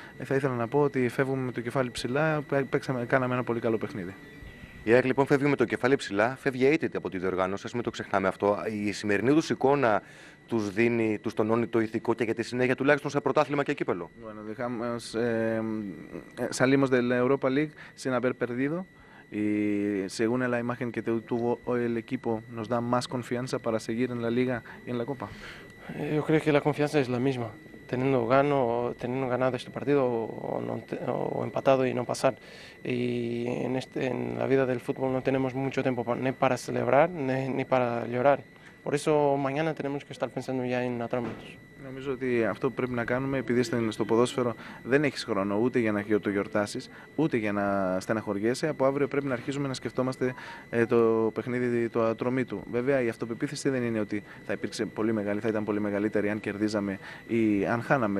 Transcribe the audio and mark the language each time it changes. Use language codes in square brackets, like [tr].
[el] Θα ήθελα να πω ότι φεύγουμε με το κεφάλι ψηλά, κάναμε ένα πολύ καλό παιχνίδι. Η ΑΕΚ λοιπόν φεύγει με το κεφάλι ψηλά, φεύγει αίτητη από τη διοργάνωση, μην το ξεχνάμε αυτό. Η σημερινή του εικόνα τους δίνει, τους τονώνει το ηθικό και για τη συνέχεια τουλάχιστον σε πρωτάθλημα και κύπελο. [es] Bueno, dejamos, salimos de la Europa League sin haber perdido. Y según la imagen que tuvo hoy el equipo, nos da más confianza para seguir en la Liga y en la Copa. Yo creo que la confianza es la misma. Teniendo ganado este partido o empatado y no pasar. Y en la vida del fútbol no tenemos mucho tiempo ni para celebrar ni para llorar. Por eso mañana tenemos que estar pensando ya en otros momentos. [el] Νομίζω ότι αυτό που πρέπει να κάνουμε, επειδή στο ποδόσφαιρο δεν έχει χρόνο ούτε για να το γιορτάσει, ούτε για να στεναχωριέσαι, από αύριο πρέπει να αρχίσουμε να σκεφτόμαστε το παιχνίδι του Ατρομήτου. Βέβαια, η αυτοπεποίθηση δεν είναι ότι θα ήταν πολύ μεγαλύτερη αν κερδίζαμε ή αν χάναμε.